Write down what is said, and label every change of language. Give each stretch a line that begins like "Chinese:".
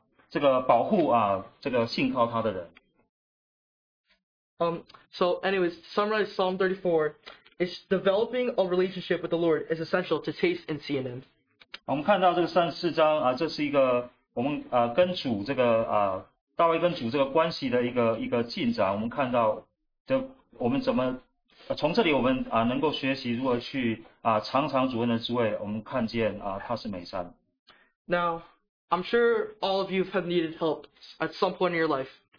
Chinese: 这个耶和华保护信靠他的人。
English: So anyways, to summarize Psalm 34, it's developing a relationship with the Lord is essential to taste and see in Him.
Chinese: 我们看到这个三十四章，这是一个我们跟主这个大卫跟主这个关系的一个进展。我们看到，从这里我们能够学习如何去尝尝主恩的滋味。我们看见他是美善。
English: Now, I'm sure all of you have needed help at some point in your life.